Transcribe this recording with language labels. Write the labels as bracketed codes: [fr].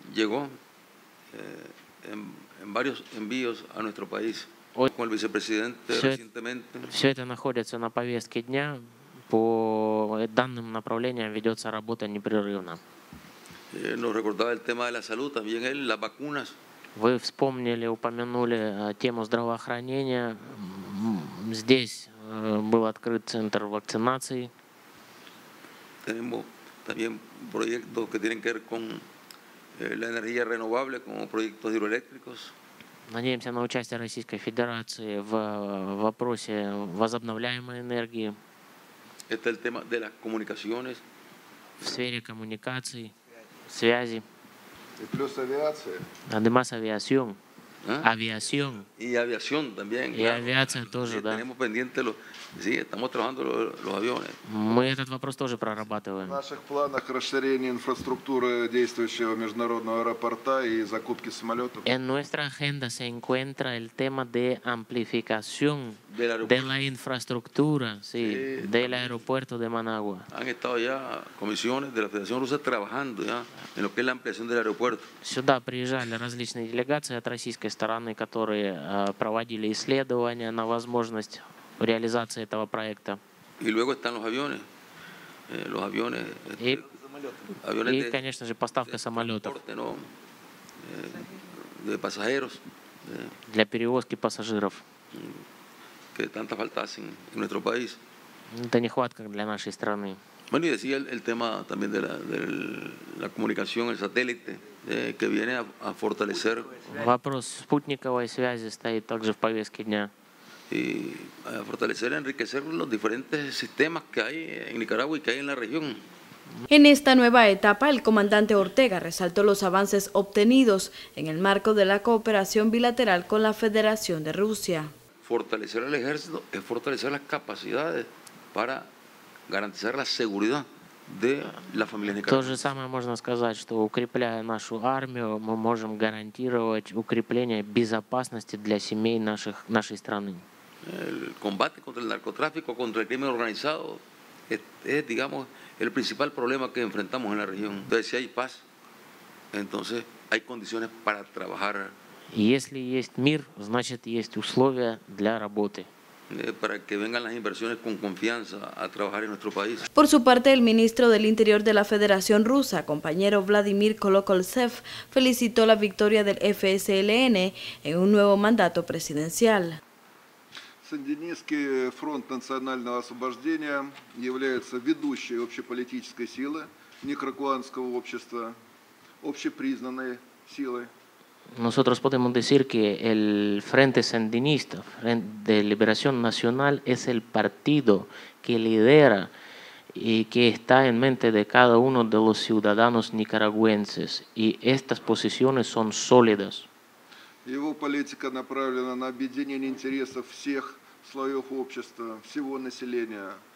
[es] Trigo que llegó en varios envíos a nuestro país. Con el vicepresidente recientemente. [ru] Все это находится на повестке дня. По данным направлениям ведется работа непрерывно. [es] Nos recordaba el tema de la salud, también él, las vacunas. [ru] Вы вспомнили, упомянули тему здравоохранения. Здесь был открыт центр вакцинации. [es] Tenemos también proyectos que tienen que ver con la energía renovable, como proyectos hidroeléctricos. [ru] Надеемся на участие Российской Федерации в вопросе возобновляемой энергии. Это [es] el tema de las comunicaciones. [ru] В сфере коммуникаций, связи. [es] Y plus aviación. Además aviación. Aviación. Y aviación también. Y claro. Aviación [ru] тоже, [es] sí, [ru] да. [es] Tenemos pendiente los, sí, estamos trabajando los aviones. [ru] Мы этот вопрос тоже прорабатываем. В наших планах расширение инфраструктуры действующего международного аэропорта и закупки самолетов. [es] En nuestra agenda se encuentra el tema de amplificación de la infraestructura, sí, sí, del aeropuerto de Managua. Han estado ya comisiones de la Federación Rusa trabajando ya en lo que es la ampliación del aeropuerto. [ru] Сюда приезжали различные делегации от российской стороны, которые проводили исследования на возможность реализации этого проекта. И [es] luego están los aviones. Los aviones, aviones [ru] и, конечно же, поставка самолетов. [es] De pasajeros. [ru] Для перевозки пассажиров. [es] Que tanta falta hacen en nuestro país. [ru] Это нехватка для нашей страны. [es] Bueno, y decía el tema también de la comunicación, el satélite, que viene a fortalecer. [ru] Вопрос спутниковой связи стоит также в повестке дня. [es] Y fortalecer y enriquecer los diferentes sistemas que hay en Nicaragua y que hay en la región. En esta nueva etapa, el comandante Ortega resaltó los avances obtenidos en el marco de la cooperación bilateral con la Federación de Rusia. Fortalecer el ejército es fortalecer las capacidades para garantizar la seguridad de las familias nicaragüenses. [ru] То же самое можно сказать, что укрепляя нашу армию, мы можем гарантировать укрепление безопасности для семей нашей страны. [es] El combate contra el narcotráfico, contra el crimen organizado, es, digamos, el principal problema que enfrentamos en la región. Entonces, si hay paz, entonces hay condiciones para trabajar. Y si hay [ru] мир, значит, есть условия для работы. [es] Para que vengan las inversiones con confianza a trabajar en nuestro país. Por su parte, el ministro del Interior de la Federación Rusa, compañero Vladimir Kolokoltsev, felicitó la victoria del FSLN en un nuevo mandato presidencial. [ru] Сандинистский фронт национального освобождения является ведущей общеполитической силой никарагуанского общества, общепризнанной силой. [es] Nosotros podemos decir que el Frente Sandinista, Frente de Liberación Nacional, es el partido que lidera y que está en mente de cada uno de los ciudadanos nicaragüenses, y estas posiciones son sólidas. [ru] Его политика направлена на объединение интересов всех слоев общества, всего населения.